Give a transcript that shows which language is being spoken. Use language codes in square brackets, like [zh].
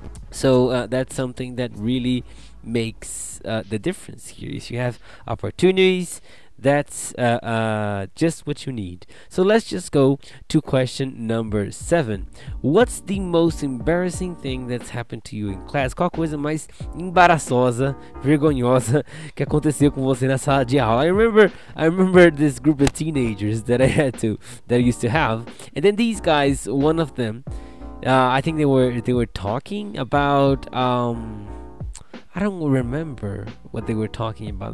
[en] So that's something that really makes the difference here. If you have opportunities, that's just what you need. So let's just go to question number seven. What's the most embarrassing thing that's happened to you in class? [pt] Qual a coisa mais embaraçosa, vergonhosa que aconteceu com você na sala de aula? [en] I remember this group of teenagers that I used to have, and then these guys, one of them, I think they were talking about I don't remember what they were talking about.